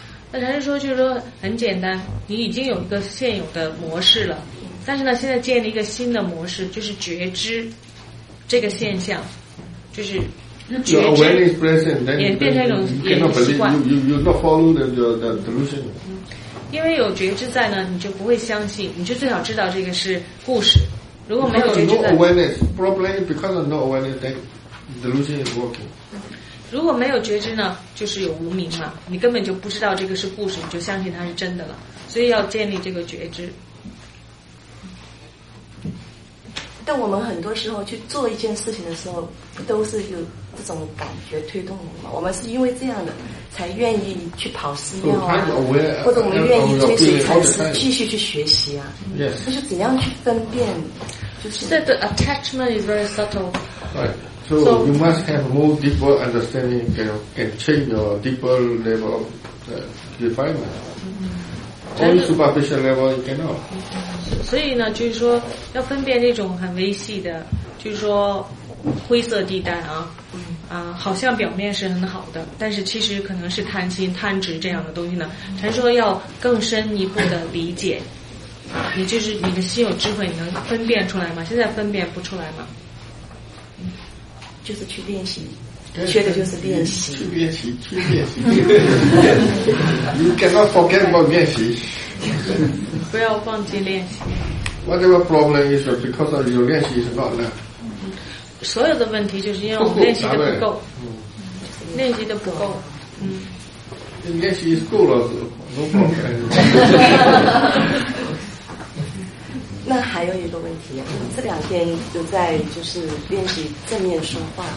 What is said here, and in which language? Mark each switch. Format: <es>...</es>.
<zh>那禅师说就是说很简单，你已经有一个现有的模式了，但是呢现在建立一个新的模式，就是觉知这个现象，就是觉知</zh> <en>awareness present, then</en> <zh>也变成一种习惯。</zh> <en>You not follow the delusion.</en> <zh>因为有觉知在呢，你就不会相信，你就最好知道这个是故事。如果没有觉知在</zh> <en>no awareness, probably because of no awareness, then delusion is working.</en> <zh>如果没有觉知呢，就是有无明了，你根本就不知道这个是故事，你就相信它是真的了，所以要建立这个觉知。但我们很多时候去做一件事情的时候，不都是有这种感觉推动我们，我们是因为这样的才愿意去跑寺庙啊，或者我们愿意追随禅师继续去学习啊，就是怎样去分辨，就是</zh> <en>that the attachment is very subtle, right? So, so you must have more deeper understanding can change your deeper level of refinement. Mm-hmm. Only superficial level you cannot.</en> <zh>所以呢，就是说要分辨那种很微细的，就是说灰色地带啊，啊，好像表面是很好的，但是其实可能是贪心、贪执这样的东西呢。才说要更深一步的理解，你就是你的心有智慧，你能分辨出来吗？现在分辨不出来吗？就是去练习，缺的就是练习。去练习，去练习。练习你 cannot forget about 练习。不要忘记练习。</zh> <en>Whatever problem is because of your 练习 is not enough。</en> <zh>所有的问题就是因为我们练习的不够。练习的不够。</zh> <en>练习 is 够了，no problem。</en> <zh>那还有一个问题，这两天都在就是练习正面说话，</zh>